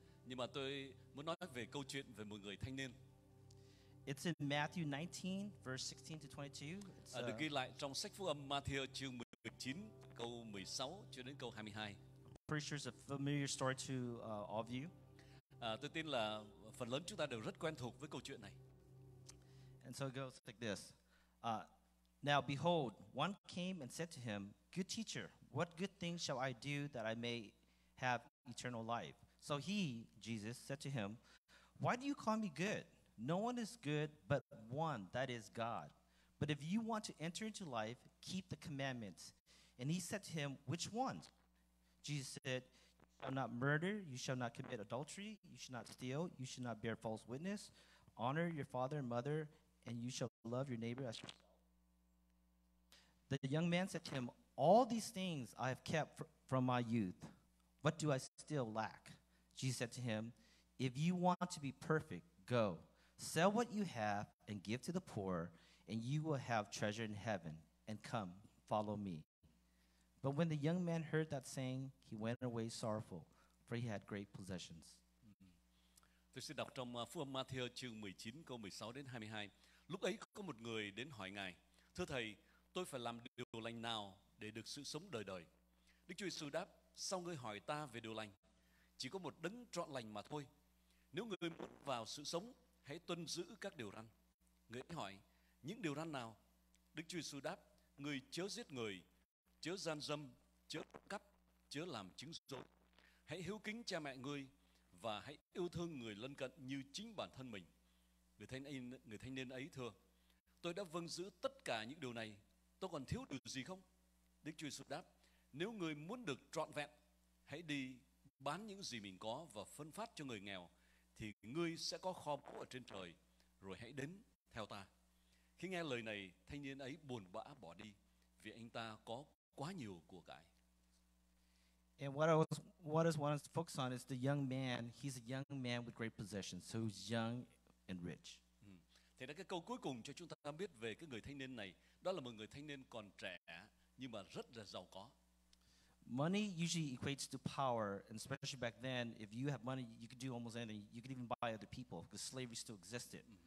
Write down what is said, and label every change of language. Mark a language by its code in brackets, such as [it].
[vi] Nhưng mà tôi muốn nói về câu chuyện về một người thanh niên. [en] It's in Matthew 19, verse 16 to 22. [vi] Được ghi lại trong sách Phúc Âm Matthew chương 19, câu 16 cho đến câu 22. [en] Pretty sure it's a familiar story to all of you. [vi] Tôi tin là phần lớn chúng ta đều rất quen thuộc với câu chuyện này. [en] And so it goes like this. Now behold, one came and said to him, "Good teacher, what good thing shall I do that I may have eternal life?" So he, Jesus, said to him, "Why do you call me good? No one is good but one, that is God. But if you want to enter into life, keep the commandments." And he said to him, "Which ones?" Jesus said, "You shall not murder, you shall not commit adultery, you shall not steal, you shall not bear false witness, honor your father and mother, and you shall love your neighbor as yourself." The young man said to him, "All these things I have kept from my youth. What do I still lack?" Jesus said to him, "If you want to be perfect, go, sell what you have and give to the poor, and you will have treasure in heaven. And come, follow me." But when the young man heard that saying, he went away sorrowful, for he had great possessions. [vi] Tôi sẽ đọc trong phúc âm Matthew chương 19 câu 16 đến 22. Lúc ấy có một người đến hỏi Ngài, "Thưa Thầy, tôi phải làm điều lành nào để được sự sống đời đời?" Đức Chúa Giêsu đáp, "Sao ngươi hỏi ta về điều lành? Chỉ có một đấng trọn lành mà thôi. Nếu ngươi muốn vào sự sống, hãy tuân giữ các điều răn." Người ấy hỏi, "Những điều răn nào?" Đức Chúa Giêsu đáp, "Ngươi chớ giết người, chớ gian dâm, chớ cắp, chớ làm chứng dối. Hãy hiếu kính cha mẹ ngươi và hãy yêu thương người lân cận như chính bản thân mình." Người thanh niên ấy thưa, "Tôi đã vâng giữ tất cả những điều này, tôi còn thiếu điều gì không?" Đức Chúa Giêsu đáp, "Nếu ngươi muốn được trọn vẹn, hãy đi bán những gì mình có và phân phát cho người nghèo, thì ngươi sẽ có kho báu ở trên trời, rồi hãy đến theo ta." Khi nghe lời này, thanh niên ấy buồn bã bỏ đi, vì anh ta có quá nhiều của cải. [en] And what I want to focus on is the young man. He's a young man with great possessions, so he's young and rich. [vi] Thế là cái câu cuối cùng cho chúng ta biết về cái người thanh niên này, đó là một người thanh niên còn trẻ nhưng mà rất là giàu có. [en] Money usually equates to power, and especially back then, if you have money, you could do almost anything. You could even buy other people because slavery still existed.